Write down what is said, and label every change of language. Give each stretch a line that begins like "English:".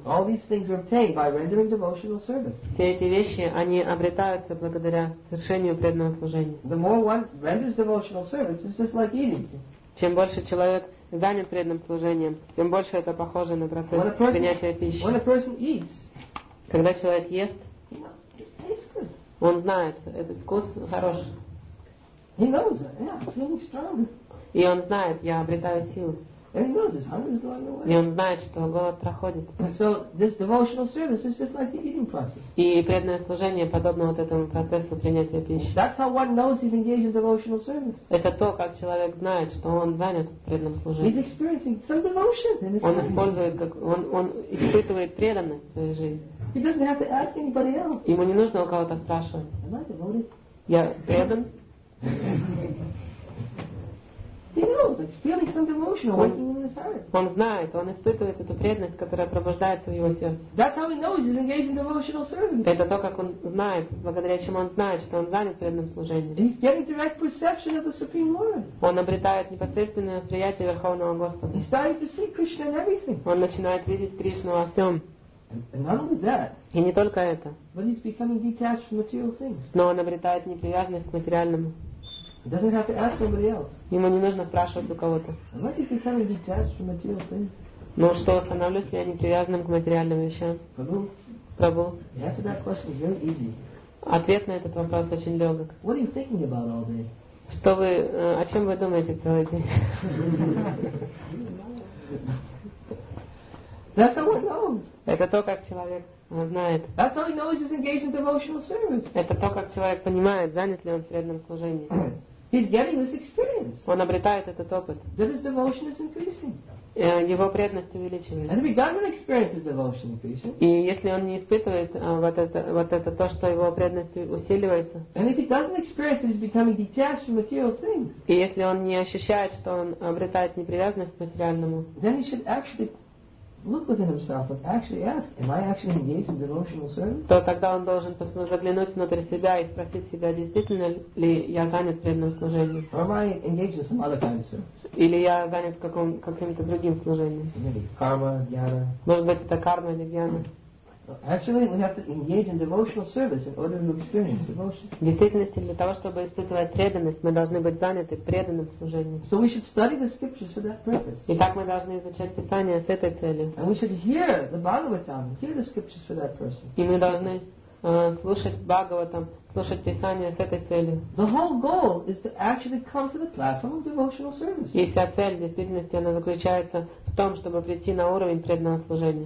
English: All these things are obtained by rendering devotional service.
Russian: Все эти вещи они обретаются благодаря совершению преданного служения.
English: The more one renders devotional service, it's just like eating.
Russian: Чем больше человек занят преданным служением, тем больше это похоже на процесс принятия пищи.
English: When a person eats,
Russian: когда человек ест,
English: it tastes good.
Russian: Он знает, этот вкус хороший.
English: He knows that. Yeah, I'm feeling strong.
Russian: И он знает, я обретаю силу.
English: And he knows his hunger is going away.
Russian: И он знает, что голод проходит.
English: And so this devotional service is just like the eating process.
Russian: И преданное служение подобно вот этому процессу принятия пищи.
English: That's how one knows he's engaged in devotional service.
Russian: Это то, как человек знает, что он занят преданным служением.
English: He's experiencing some devotion in his life.
Russian: Он испытывает преданность в своей жизни.
English: He doesn't have to ask anybody else.
Russian: Ему не нужно у кого-то спрашивать.
English: Am I devoted?
Russian: Я предан.
English: He knows, it's feeling some devotion awakening in his heart.
Russian: Он знает, он испытывает эту преданность, которая пробуждается в его сердце.
English: That's how he knows he's engaged in devotional service.
Russian: Это то, как он знает, благодаря чему он знает, что он занят преданным служением.
English: He's getting direct perception of the Supreme Lord.
Russian: Он обретает непосредственное восприятие Верховного Господа.
English: He's starting to see Krishna in everything.
Russian: Он начинает видеть Кришну во всем.
English: And not only that.
Russian: И не только это.
English: But he's becoming detached from material things.
Russian: Но он обретает непривязанность к материальному.
English: He doesn't have to ask somebody else.
Russian: Ему не нужно спрашивать у кого-то.
English: Am I becoming detached from material things?
Russian: Ну что, становлюсь ли я непривязанным к материальным вещам?
English: Prabhu. The answer to that question is very easy.
Russian: Ответ на этот вопрос очень легок.
English: What are you thinking about all day?
Russian: Что вы, о чем вы думаете целый день?
English: That's how one knows.
Russian: Это то, как человек знает.
English: That's how he knows he's engaged in devotional service.
Russian: Это то, как человек понимает, занят ли он в преданном служении.
English: He's getting this experience.
Russian: Он обретает этот опыт.
English: That his devotion is increasing.
Russian: его преданность увеличивается.
English: And if he doesn't experience his devotion increasing,
Russian: и если он не испытывает вот это то, что его преданность усиливается,
English: and if he doesn't experience that he's becoming detached from material things,
Russian: и если он не ощущает, что он обретает непривязанность к материальному,
English: then he should actually look within himself and actually ask, am I actually engaged in devotional service?
Russian: То тогда он должен заглянуть внутрь себя и спросить себя, действительно ли я занят преданным служением?
English: Or am I engaged in some other kind of service?
Russian: Или я занят каким-то другим служением? Карма, гьяна. Может быть, это карма или гьяна?
English: Actually, we have to engage in devotional service in order to experience devotion.
Russian: В действительности, для того, чтобы испытывать преданность, мы должны быть заняты преданным служением.
English: So we should study the scriptures for that purpose.
Russian: Итак, мы должны изучать Писание с этой целью.
English: And we should hear the Bhagavatam, hear the scriptures for that person.
Russian: И мы должны слушать Бхагаватам, слушать Писание с этой целью.
English: The whole goal is to actually come to the platform of devotional service.
Russian: И вся цель, в действительности, она заключается в том, чтобы прийти на уровень преданного служения.